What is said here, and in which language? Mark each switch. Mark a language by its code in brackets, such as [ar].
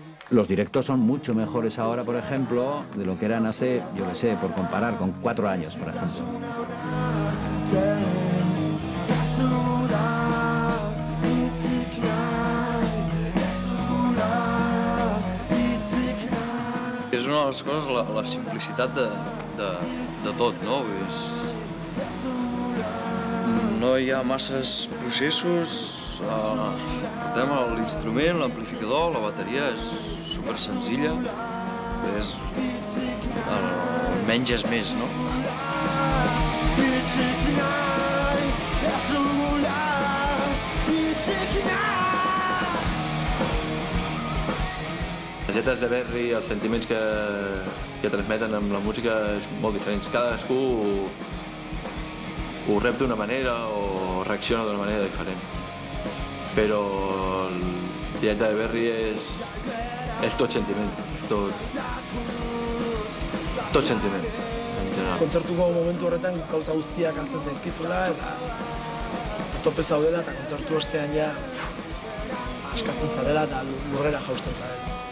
[es] Los directos son mucho mejores ahora, por ejemplo, de lo que eran hace, yo qué sé, por comparar con 4 años, por ejemplo. Es una de las cosas, la simplicidad de todo, ¿no? Es... No hay masas procesos, [ca] portem el instrument, l'amplificador, la bateria, és super senzilla, és menys és més, no? Les lletres de Berry, els sentiments que transmeten amb la música és molt diferents. Cadascú ho rep d'una manera o reacciona d'una manera diferent. Però el dieta de Berry és tot sentiment, tot sentiment, en general. [eu] Kontzertuko momentu horretan gauza guztiak azten zaizkizula, eta tope zaudela, eta kontzertu ostean ja askatzen zarela eta lurrera jausten zarela.